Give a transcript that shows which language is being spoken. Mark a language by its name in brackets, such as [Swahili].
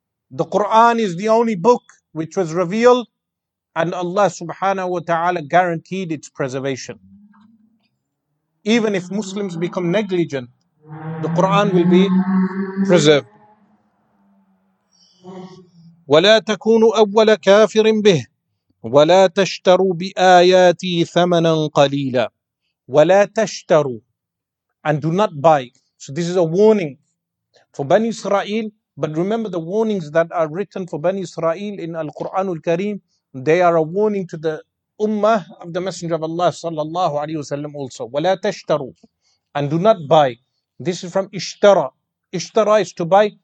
[English] The Quran is the only book which was revealed, and Allah subhanahu wa ta'ala guaranteed its preservation. Even if Muslims become negligent, the Quran will be preserved. [Arabic] وَلَا تَكُونُ أَوَّلَ كَافِرٍ بِهِ وَلَا تَشْتَرُوا بِآيَاتِي ثَمَنًا قَلِيلًا. وَلَا تَشْتَرُوا [English] and do not buy. So this is a warning for Bani Israel. But remember the warnings that are written for Bani Israel in Al-Quran Al-Kareem. They are a warning to the Ummah of the Messenger of Allah sallallahu alayhi wasallam also. [Arabic] وَلَا تَشْتَرُوا [English] and do not buy. This is from Ishtara. Ishtara is to buy.